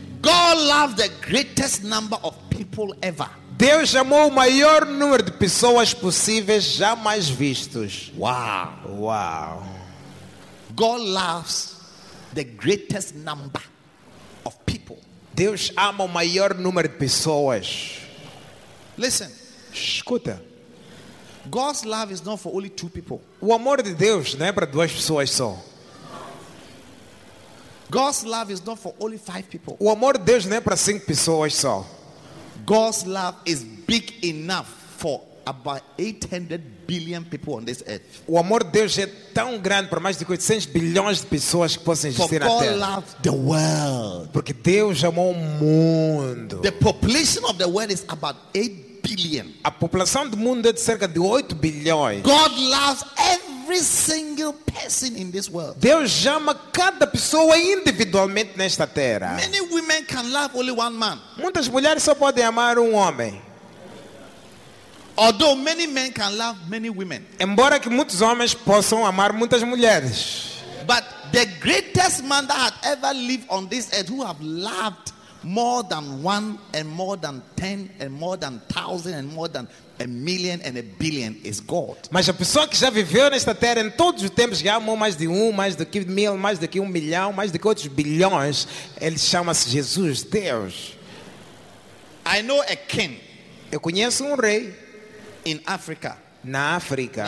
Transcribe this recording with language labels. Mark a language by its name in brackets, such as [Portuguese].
[English] God loved the greatest number of people ever. [Portuguese] Deus amou o maior número de pessoas possíveis jamais vistos. Wow. Wow. [English] God loves the greatest number of people. [Portuguese] Deus ama o maior número de pessoas. [English] Listen. [Portuguese] Escuta. [English] God's love is not for only two people. [Portuguese] O amor de Deus não é para duas pessoas só. [English] God's love is not for only five people. [Portuguese] O amor de Deus não é para cinco pessoas só. [English] God's love is big enough for about 800 billion people on this earth. [Portuguese] O amor de Deus é tão grande para mais de 800 bilhões de pessoas que possam existir na Terra. [English] For God loved the world. [Portuguese] Porque Deus amou o mundo. [English] The population of the world is about 8 billion. [Portuguese] A população do mundo é de cerca de 8 bilhões. [English] God loves every single person in this world. [Portuguese] Deus ama cada pessoa individualmente nesta Terra. [English] Many women can love only one man. [Portuguese] Muitas mulheres só podem amar um homem. [English] Although many men can love many women. [Portuguese] Embora que muitos homens possam amar muitas mulheres. [English] But the greatest man that had ever lived on this earth who have loved more than one and more than 10 and more than 1,000 and more than a million and a billion is God. [Portuguese] Mas a pessoa que já viveu nesta terra em todos os tempos já amou mais de um, mais do que mil, mais do que um milhão, mais do que outros bilhões, ele chama-se Jesus, Deus. [English] I know a king. [Portuguese] Eu conheço um rei. [English] In Africa, [Portuguese] na África,